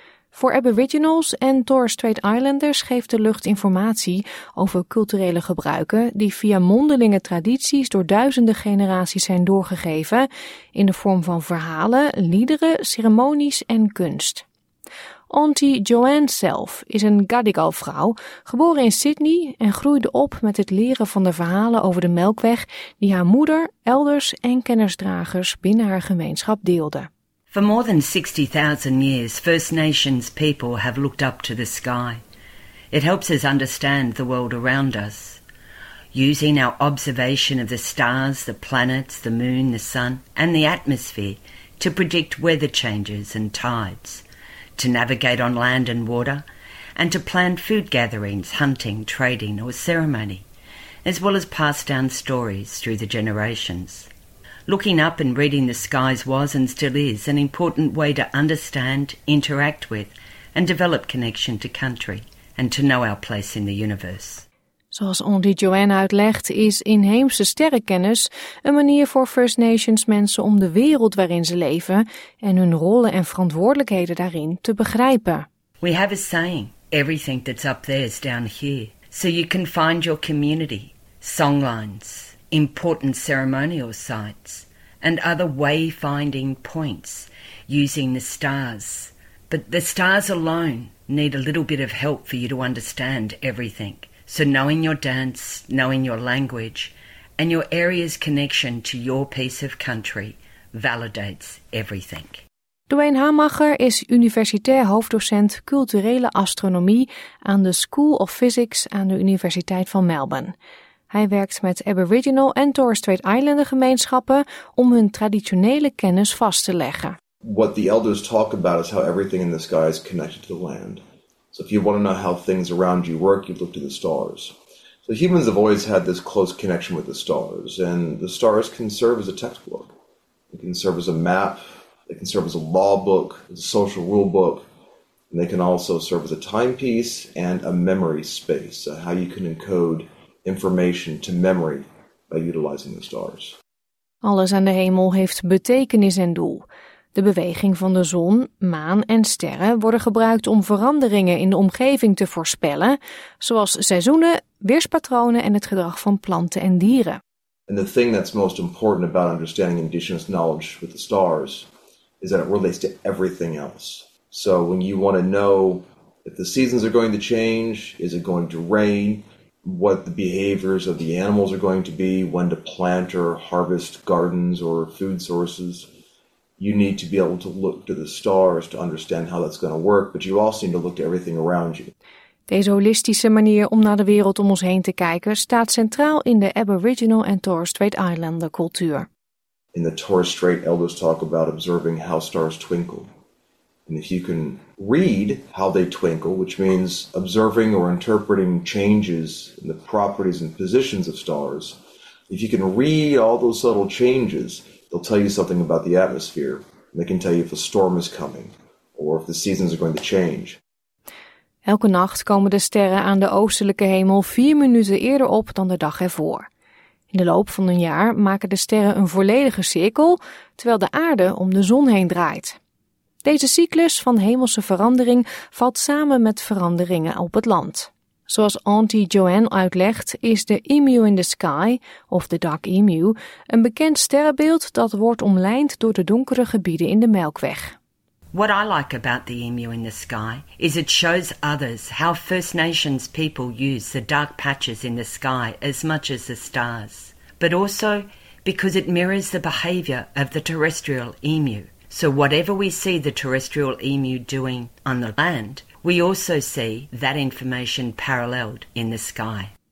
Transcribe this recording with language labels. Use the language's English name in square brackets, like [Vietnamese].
[Dutch] Voor Aboriginals en Torres Strait Islanders geeft de lucht informatie over culturele gebruiken die via mondelinge tradities door duizenden generaties zijn doorgegeven in de vorm van verhalen, liederen, ceremonies en kunst. Auntie Joanne zelf is een Gadigal vrouw, geboren in Sydney en groeide op met het leren van de verhalen over de Melkweg die haar moeder, elders en kennisdragers binnen haar gemeenschap deelde. [English] For more than 60,000 years, First Nations people have looked up to the sky. It helps us understand the world around us. Using our observation of the stars, the planets, the moon, the sun and the atmosphere to predict weather changes and tides, to navigate on land and water, and to plan food gatherings, hunting, trading or ceremony, as well as pass down stories through the generations. Looking up and reading the skies was and still is an important way to understand, interact with and develop connection to country and to know our place in the universe. [Dutch] Zoals Auntie Joanne uitlegt, is inheemse sterrenkennis een manier voor First Nations mensen om de wereld waarin ze leven en hun rollen en verantwoordelijkheden daarin te begrijpen. [English] We have a saying, everything that's up there is down here. So you can find your community, songlines, important ceremonial sites and other wayfinding points using the stars. But the stars alone need a little bit of help for you to understand everything. So knowing your dance, knowing your language, and your area's connection to your piece of country validates everything. [Dutch] Dwayne Hamacher is universitair hoofddocent culturele astronomie aan de School of Physics aan de Universiteit van Melbourne. Hij werkt met Aboriginal en Torres Strait Islander gemeenschappen om hun traditionele kennis vast te leggen. [English] What the elders talk about is how everything in the sky is connected to the land. So if you want to know how things around you work, you look to the stars. So humans have always had this close connection with the stars, and the stars can serve as a textbook. They can serve as a map, they can serve as a law book, as a social rule book, and they can also serve as a timepiece and a memory space, so how you can encode information to memory by utilizing the stars. [Dutch] Alles aan de hemel heeft betekenis en doel. De beweging van de zon, maan en sterren worden gebruikt om veranderingen in de omgeving te voorspellen, zoals seizoenen, weerspatronen en het gedrag van planten en dieren. [English] And the thing that's most important about understanding indigenous knowledge with the stars is that it relates to everything else. So when you want to know if the seasons are going to change, is it going to rain, what the behaviors of the animals are going to be, when to plant or harvest gardens or food sources, you need to be able to look to the stars to understand how that's going to work, but you also need to look to everything around you. [Dutch] Deze holistische manier om naar de wereld om ons heen te kijken staat centraal in de Aboriginal en Torres Strait Islander cultuur. [English] In the Torres Strait, elders talk about observing how stars twinkle. And if you can read how they twinkle, which means observing or interpreting changes in the properties and positions of stars, if you can read all those subtle changes, they'll tell you something about the atmosphere. They can tell you if a storm is coming or if the seasons are going to change. [Dutch] Elke nacht komen de sterren aan de oostelijke hemel 4 minuten eerder op dan de dag ervoor. In de loop van een jaar maken de sterren een volledige cirkel, terwijl de aarde om de zon heen draait. Deze cyclus van hemelse verandering valt samen met veranderingen op het land. Zoals Auntie Joanne uitlegt, is de Emu in the Sky, of de Dark Emu, een bekend sterrenbeeld dat wordt omlijnd door de donkere gebieden in de Melkweg. [English] What I like about the Emu in the Sky is it shows others how First Nations people use the dark patches in the sky as much as the stars, but also because it mirrors the behavior of the terrestrial Emu. So whatever we see the terrestrial Emu doing on the land, we also see that information paralleled in the sky.